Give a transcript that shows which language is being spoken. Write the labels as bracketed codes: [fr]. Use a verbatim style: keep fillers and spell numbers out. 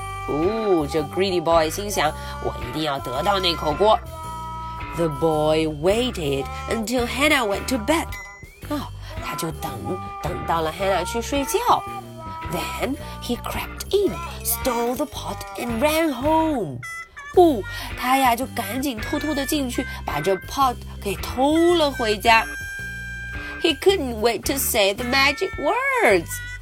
[zh] 哦，这 greedy boy 心想，我一定要得到那口锅。 [en] The boy waited until Hannah went to bed。 [zh] 哦，他就等，等到了 Hannah 去睡觉。 [en] Then he crept in, stole the pot and ran home。 [zh] 哦，他呀就赶紧偷偷的进去，把这 pot 给偷了回家。 [en] He couldn't wait to say the magic words.